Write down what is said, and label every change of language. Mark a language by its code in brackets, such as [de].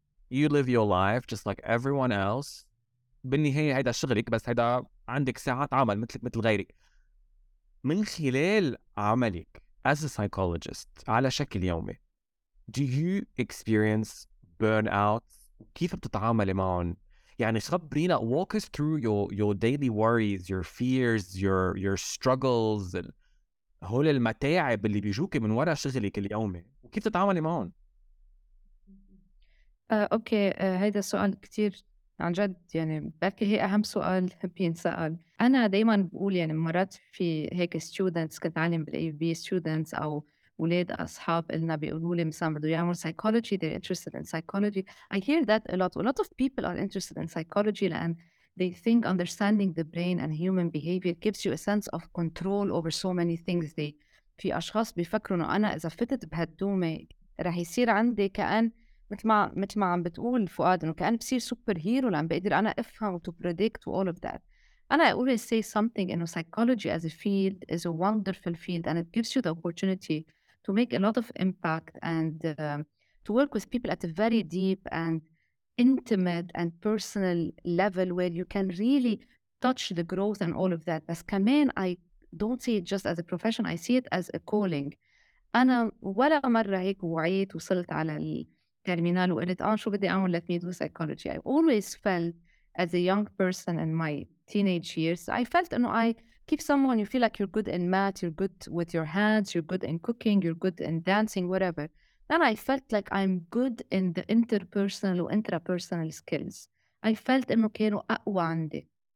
[en] You live your life just like everyone else. [ar] بالنهاية هيدا شغلك, بس هيدا عندك ساعات عمل مثلك مثل غيرك. من خلال عملك [en] as a psychologist [ar] على شكل يومي, [en] do you experience burnout؟ [ar] كيف بتتعامل معهم؟ يعني خبرينا, [en] walk us through your daily worries, your fears, your struggles, [ar] هول المتاعب اللي بيجوك من وراء شغلك اليومي, وكيف تتعامل معهم؟ اوكي, هيدا سؤال كتير عن جد, يعني بلكي هي أهم سؤال بينسأل. أنا دايماً بقول يعني مرات في هيك students كنت أعلم بالأي بي students أو ولاد أصحاب إلنا بيقولوا لي مثلاً بدو يعمل psychology, [en] they're interested in psychology. I hear that a lot of people are interested in psychology لأن they think understanding the brain and human behavior gives you a sense of control over so many things. [ar] They في أشخاص بيفكروا إنه أنا إذا فتت بهالدومة رح يصير عندي كأن مثل ما عم بتقول فؤاد انه كان بصير سوبر هيرو لان بقدر انا افهم [en] to predict all of that. انا I always say something انه psychology as a field is a wonderful field and it gives you the opportunity to make a lot of impact and to work with people at a very deep and intimate and personal level where you can really touch the growth and all of that. [ar] بس كمان [en] I don't see it just as a profession, I see it as a calling. [ar] انا ولا مره هيك وعيت وصلت على terminal وقلت آه شو بدي أعمل, [en] let me do psychology. I always felt as a young person in my teenage years, I felt أنه I keep someone, you feel like you're good in math, you're good with your hands, you're good in cooking, you're good in dancing, whatever. Then I felt like I'm good in the interpersonal و intrapersonal skills. I felt أنه كانوا أقوى عندي.